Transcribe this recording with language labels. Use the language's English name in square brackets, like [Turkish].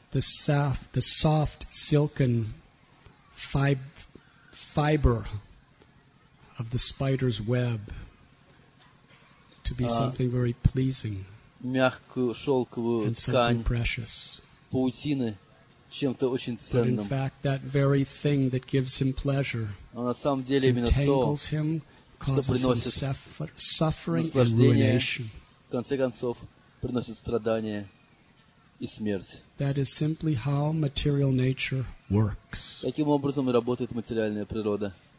[English] the soft silken fiber of the spider's web to be something very pleasing. [Russian] Мягкую шелковую ткань [English] precious. [Russian] Паутины чем-то очень ценным. [English] But in fact, that very thing that gives him pleasure, [Russian] но на самом деле именно то, [English] entangles him, causes [Russian] что приносит [English] him suffering and ruination. [Russian] В конце концов, приносит страдания и смерть. [English] That is simply how material nature works. [Russian] Таким образом работает материальная природа.